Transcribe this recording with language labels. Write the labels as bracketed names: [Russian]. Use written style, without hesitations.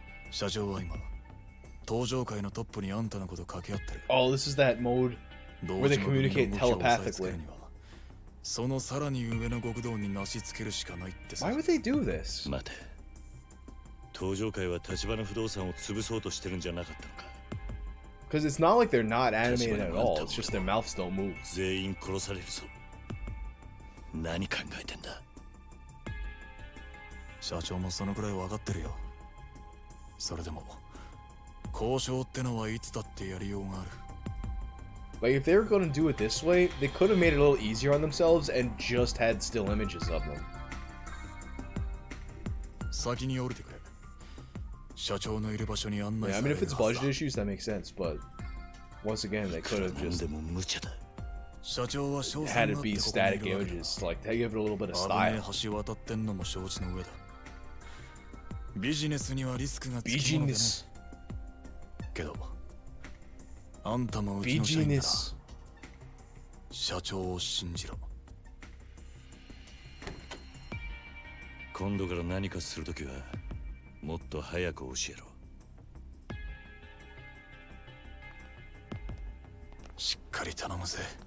[Japanese] 社長は今、搭乗会のトップにあんたのこと掛け合ってる。 [English] Oh, this is that mode where they communicate telepathically. [Japanese] そのさらに上の極道に成し付けるしかないってさ。 [English] Why would they do this? [Japanese] 待て。搭乗会は立花不動産を潰そうとしてるんじゃなかったのか。 [English] Because it's not like they're not animated at all, it's just their mouths don't move. [Japanese] 全員殺されるぞ。何考えてんだ。社長もそのくらい分かってるよ。それでも、交渉ってのはいつだってやりようがある。 [English] Like, if they were going to do it this way, they could have made it a little easier on themselves and just had still images of them. [Japanese] 先に降りてくれ。社長のいる場所に案内されるはずだ。 [English] Yeah, I mean, if it's budget issues, that makes sense, but once again, they could have just... [Japanese] いくらなんでも無茶だ。 [English] had it be static images, like they give it a little bit of style. [Japanese] ビジネスにはリスクがつきますけど、あんたもうちの社員だ。ビジネス。社長を信じろ。今度から何かするときはもっと早く教えろ。しっかり頼むぜ。